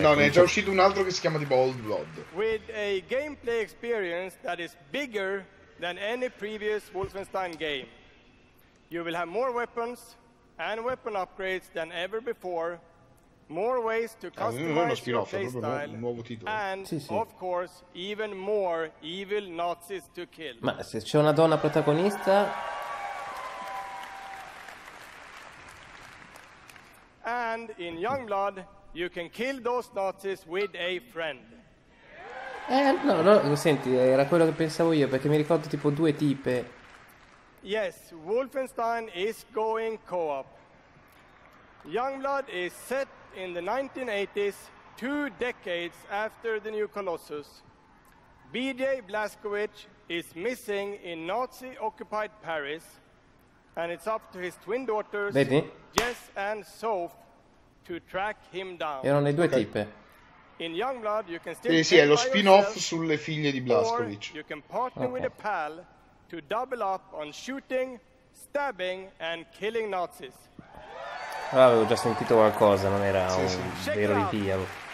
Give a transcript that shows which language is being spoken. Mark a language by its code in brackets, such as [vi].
[it] no, ne è già uscito un altro che si chiama tipo Old Blood. [en] With a gameplay experience that is bigger than any previous Wolfenstein game. You will have more weapons and weapon upgrades than ever before. More ways to customize your playstyle, and of course even more evil Nazis to kill. [it] Ma se c'è una donna protagonista. [en] And in Youngblood you can kill those Nazis with a friend. [it] No, senti, era quello che pensavo io, perché mi ricordo tipo due tipe. [en] Yes, Wolfenstein is going co-op. Youngblood is set in the 1980s, two decades after the new Colossus. BJ Blazkowicz is missing in Nazi-occupied Paris, and it's up to his twin daughters, Baby, Jess and Soph, to track him down. [it] Erano le due tipe. [en] In Youngblood you can still [it] sì, è lo spin-off sulle figlie di Blazkowicz. [en] You can partner with a pal to double up on shooting, stabbing and killing Nazis. [it] Ah, avevo già sentito qualcosa, non era vero di Diablo.